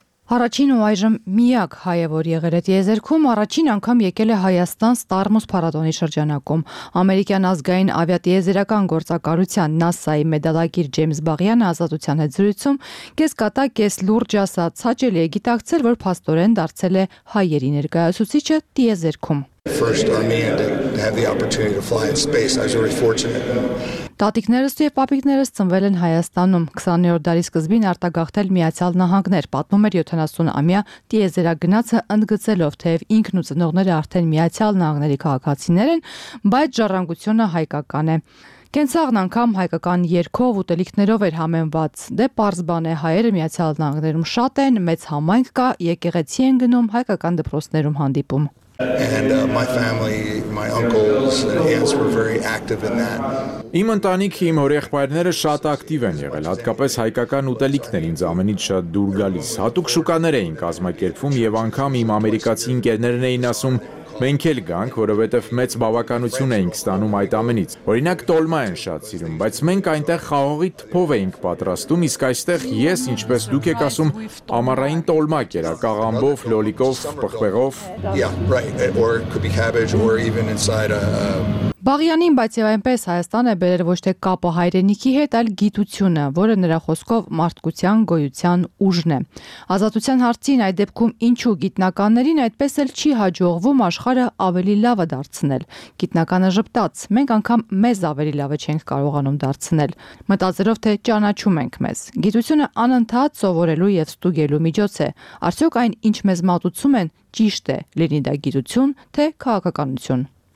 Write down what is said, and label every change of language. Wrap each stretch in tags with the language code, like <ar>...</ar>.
<hy>Առաջին ու այժմ միակ հայ է, որ եղել է տիեզերքում, առաջին անգամ եկել է Հայաստան Ստարմուս փառատոնի շրջանակում։ Ամերիկյան ազգային ավիատիեզերական գործակալության NASA-ի մեդալագիր Ջեմս Բաղյանը ազատության հետ զրույցում կես կատա, կես լուրջ ասաց, հաճելի է գիտակցել, որ փաստորեն դարձել է հայերի ներկայացուցիչը տիեզերքում։</hy> <en>First Armenian to have the opportunity to fly in space. I was very fortunate.</en> <hy>Տատիկներս ու պապիկներս ծնվել են Հայաստանում, 20-րդ դարի սկզբին արտագաղթել Միացյալ Նահանգներ, պատմում էր 70-ամյա տիեզերագնացը, ընդգծելով, թե ինքն ու ծնողները արդեն Միացյալ Նահանգների քաղաքացիներ են, բայց ժառանգությունը հայկական է։ Կենցաղն անգամ հայկական երգով, ուտելիքներով էր համեմված, դե պարզ բան է, հայերը Միացյալ Նահանգներում շատ են, մեծ համայնք կա, եկեղեցի են գնում, հայկական դպրոցներում հանդիպում։</hy> <en>And my family, my uncles and aunts were very active in that.</en> <hy>Իմ ընտանիքի իմ օրեխպայրները շատ ակտիվ են եղել, հատկապես հայկական ուտելիքներ ինձ ամենից շատ դուր գալիս, հատուկ շուկաներ էին կազմակերպվում եւ անգամ իմ ամերիկացի ընկերներն էին ասում, մենք էլ գանք, որովհետեւ մեծ բավականություն էինք ստանում այդ ամենից։ Օրինակ տոլմա են շատ սիրում, բայց մենք այնտեղ խաղողի թփով էինք պատրաստում, իսկ այստեղ ես, ինչպես դուք եք ասում, ամառային տոլմա կերա, կաղամբով, լոլիկով, պղպեղով։</hy> <en>Yeah, right. Or it could be cabbage or even inside a</en> <hy>Բաղյանին, բայց եւ այնպես Հայաստանը բերեր ոչ թե կապը հայրենիքի հետ, այլ գիտությունը, որը նրա խոսքով մարդկության գոյության ուժն է։ Ազատության հարցին այդ դեպքում ինչու գիտնականներին այդպես էլ չի հաջողվում աշխարհը ավելի լավը դարձնել։ Գիտնականը ժպտաց, մենք անգամ մեզ ավելի լավը չենք կարողանում դարձնել, մտածելով թե ճանաչում ենք մեզ։ Գիտությունը անընդհատ սովորելու եւ ստուգելու միջոց է։ Արդյոք այն, ինչ մեզ մատուցում են, ճիշտ է, լինի դա գիտություն, թե քաղաքականություն։</hy>